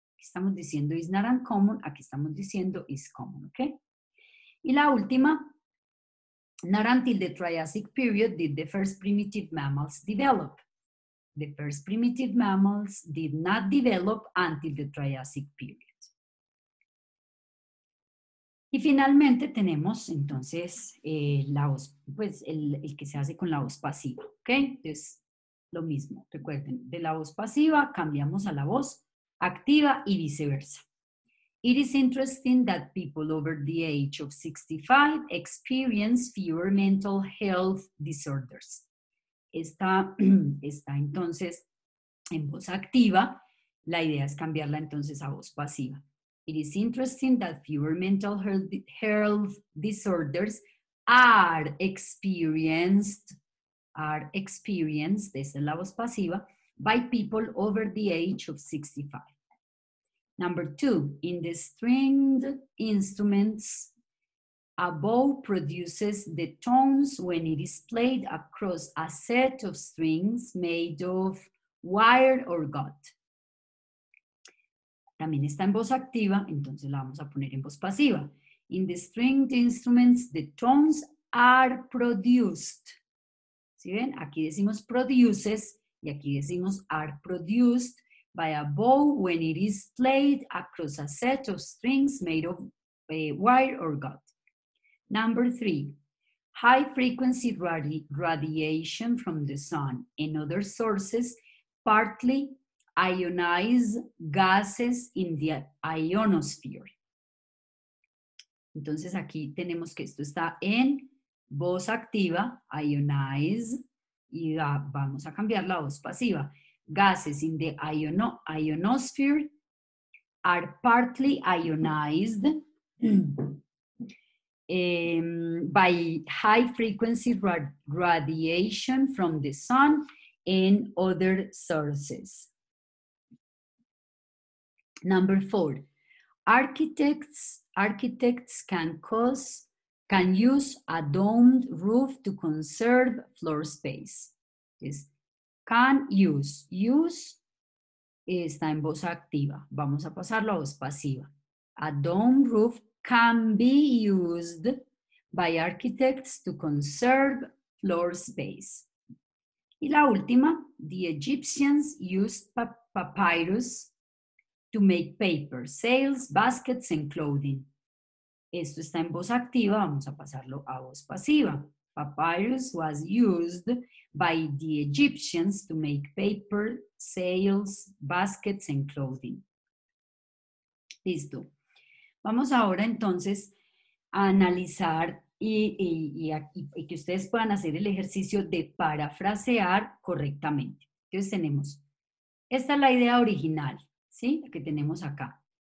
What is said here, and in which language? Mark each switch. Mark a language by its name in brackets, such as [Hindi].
[Spanish] Estamos diciendo [English] is not uncommon, [Spanish] aquí estamos diciendo [English] is common, [Spanish] ¿ok? Y la última, [English] not until the Triassic period did the first primitive mammals develop. The first primitive mammals did not develop until the Triassic period. [Spanish] Y finalmente tenemos entonces la voz, pues el que se hace con la voz pasiva, ¿ok? Entonces, lo mismo, recuerden, de la voz pasiva cambiamos a la voz activa y viceversa. [English] It is interesting that people over the age of 65 experience fewer mental health disorders. [Spanish] Está entonces en voz activa. La idea es cambiarla entonces a voz pasiva. [English] It is interesting that fewer mental health disorders are experienced, [Spanish] esa es la voz pasiva, [English] by people over the age of 65. Number two, in the stringed instruments, a bow produces the tones when it is played across a set of strings made of wire or gut. [Spanish] También está en voz activa, entonces la vamos a poner en voz pasiva. [English] In the stringed instruments, the tones are produced. [Spanish] ¿Sí ven? Aquí decimos produces y aquí decimos [English] are produced by a bow when it is played across a set of strings made of wire or gut. Number three, high frequency radiation from the sun and other sources partly ionize gases in the ionosphere. [Spanish] Entonces aquí tenemos que esto está en voz activa, ionize, y vamos a cambiar la voz pasiva. [English] Gases in the ionosphere are partly ionized by high frequency radiation from the sun and other sources. Number four, architects can use a domed roof to conserve floor space. [Spanish] Use está en voz activa. Vamos a pasarlo a voz pasiva. [English] A domed roof can be used by architects to conserve floor space. [Spanish] Y la última, [English] the Egyptians used papyrus to make paper, sails, baskets and clothing. [Spanish] Esto está en voz activa, vamos a pasarlo a voz pasiva. [English] Papyrus was used by the Egyptians to make paper, sails, baskets and clothing. [Spanish] Listo. Vamos ahora entonces a analizar y que ustedes puedan hacer el ejercicio de parafrasear correctamente. Entonces tenemos, esta es la idea original, ¿sí? Que tenemos acá.